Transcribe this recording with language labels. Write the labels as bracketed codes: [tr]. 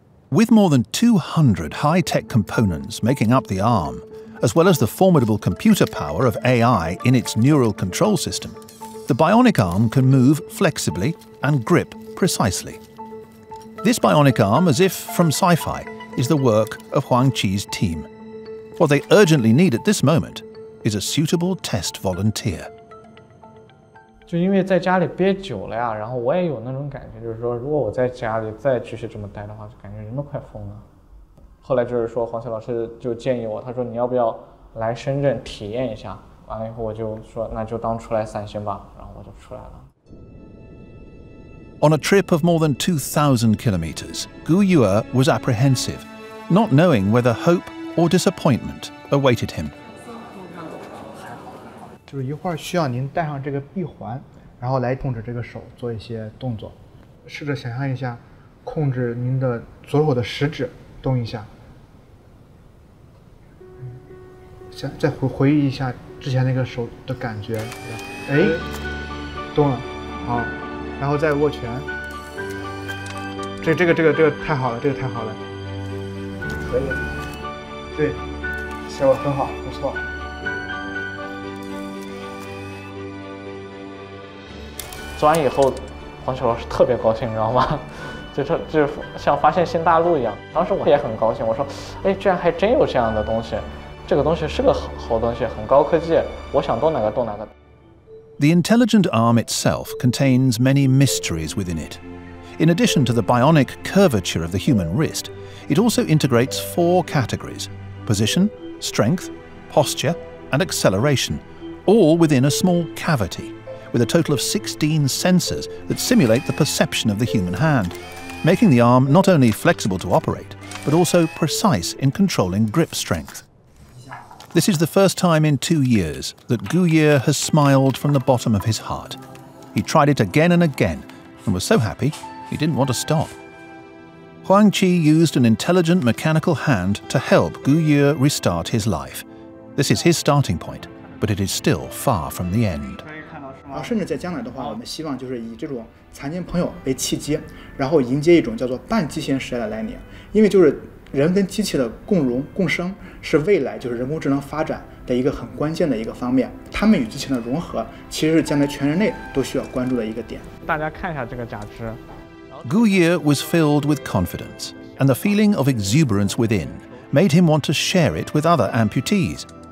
[en] With more than 200 high-tech components making up the arm, as well as the formidable computer power of AI in its neural control system, the bionic arm can move flexibly and grip precisely. This bionic arm, as if from sci-fi, is the work of Huang Qi's team. What they urgently need at this moment is a suitable test volunteer. [zh] 就因为在家里憋久了呀，然后我也有那种感觉，就是说，如果我在家里再继续这么待的话，就感觉人都快疯了。后来就是说，黄奇老师就建议我，他说你要不要来深圳体验一下？完了以后我就说，那就当出来散心吧，然后我就出来了。 [en] On a trip of more than 2,000 kilometers, Gu Yue was apprehensive, not knowing whether hope or disappointment awaited him. [zh] 就是一会儿需要您戴上这个臂环，然后来控制这个手做一些动作。试着想象一下，控制您的左手的食指动一下。想再回忆一下之前那个手的感觉。哎，动了，好。然后再握拳，这个太好了，这个太好了，可以，对，效果很好，不错。做完以后，黄秋老师特别高兴，你知道吗？就像发现新大陆一样。当时我也很高兴，我说，哎，居然还真有这样的东西，这个东西是个 好东西，很高科技，我想动哪个动哪个。 [en] The intelligent arm itself contains many mysteries within it. In addition to the bionic curvature of the human wrist, it also integrates four categories: position, strength, posture, and acceleration, all within a small cavity, with a total of 16 sensors that simulate the perception of the human hand, making the arm not only flexible to operate, but also precise in controlling grip strength. This is the first time in 2 years that Gu Ye has smiled from the bottom of his heart. He tried it again and again, and was so happy he didn't want to stop. Huang Qi used an intelligent mechanical hand to help Gu Ye restart his life. This is his starting point, but it is still far from the end. [zh] 甚至在将来的话，我们希望就是以这种残疾朋友为契机，然后迎接一种叫做半机械时代的来临，因为就是。人跟机器的共荣共生是未来就是人工智能发展的一个很关键的一个方面，他们与机器的融合其实是将来全人类都需要关注的一个点。大家看一下这个假肢。 [en] Gu Ye was filled with confidence, and the feeling of exuberance within made him want to share it with other amputees.